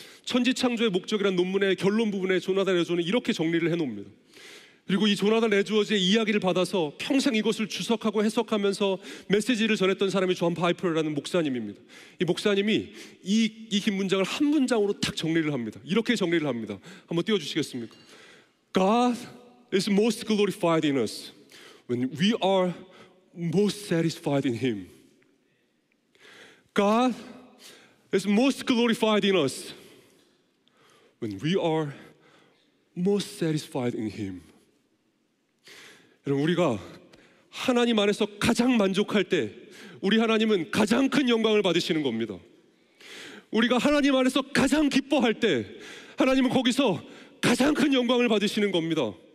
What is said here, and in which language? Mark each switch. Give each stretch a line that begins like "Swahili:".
Korean: 천지창조의 목적이란 논문의 결론 부분에 조나단 에드워즈는 이렇게 정리를 해놓습니다. 그리고 이 조나단 에드워즈의 이야기를 받아서 평생 이것을 주석하고 해석하면서 메시지를 전했던 사람이 존 파이퍼라는 목사님입니다. 이 목사님이 이 긴 문장을 한 문장으로 탁 정리를 합니다. 이렇게 정리를 합니다. 한번 띄워주시겠습니까?
English: God is most glorified in us when we are most satisfied in Him. God is most glorified in us when we are most satisfied in Him.
Korean: 여러분, 우리가 하나님 안에서 가장 만족할 때 우리 하나님은 가장 큰 영광을 받으시는 겁니다. 우리가 하나님 안에서 가장 기뻐할 때 하나님은 거기서 가장 큰 영광을 받으시는 겁니다.